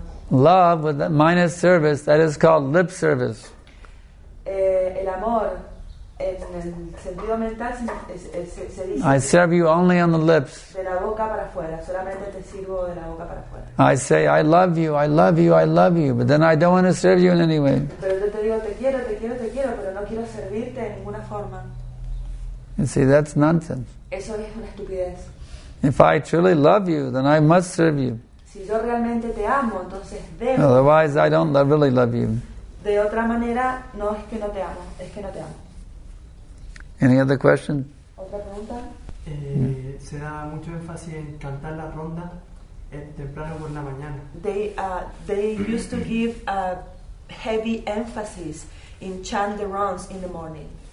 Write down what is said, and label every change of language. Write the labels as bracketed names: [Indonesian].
[English] Love with that minus service, that is called lip service. [Spanish] El amor en el sentido mental se dice, [English] I serve you only on the lips. [Spanish] De la boca para afuera, solamente te sirvo de la boca para afuera. [English] I say I love you, I love you, I love you, but then I don't want to serve you in any way. [Spanish] Pero yo te digo te quiero, te quiero, te quiero, pero no quiero servirte en ninguna forma. [English] You see, that's nonsense. [Spanish] Eso es una estupidez. [English] If I truly love you, then I must serve you. [Spanish] Si yo realmente te amo, entonces debo. [English] Otherwise, I don't really love you. [Spanish] De otra manera, no es que no te amo, es que no te amo. [English] Any other question? [Spanish] ¿Otra pregunta? Se da mucho énfasis en cantar la ronda temprano por la mañana. [English] They used to give a heavy emphasis in chant the rounds in the morning.